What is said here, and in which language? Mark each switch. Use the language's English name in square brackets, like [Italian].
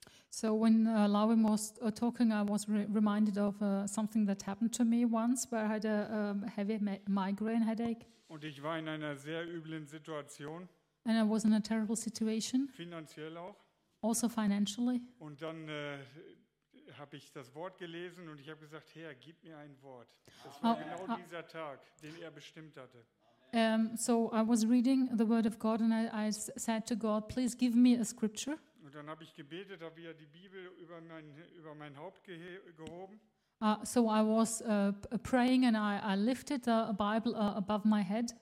[English] So when Lauri was talking, I was reminded of something that happened to me once, where I had a heavy migraine headache. [German] Und ich war in einer sehr üblen Situation. [English] And I was in a terrible situation. [German] Finanziell auch. [English] Also financially. [German] Und dann habe ich das Wort gelesen und ich habe gesagt, Herr, gib mir ein Wort. Das war genau dieser Tag, den er bestimmt hatte. [English] So I was reading the word of God and I said to God, please give me a scripture. [German] Und dann habe ich gebetet, habe wieder die Bibel über mein Haupt gehoben. [English] So I was praying and I lifted the Bible above my head.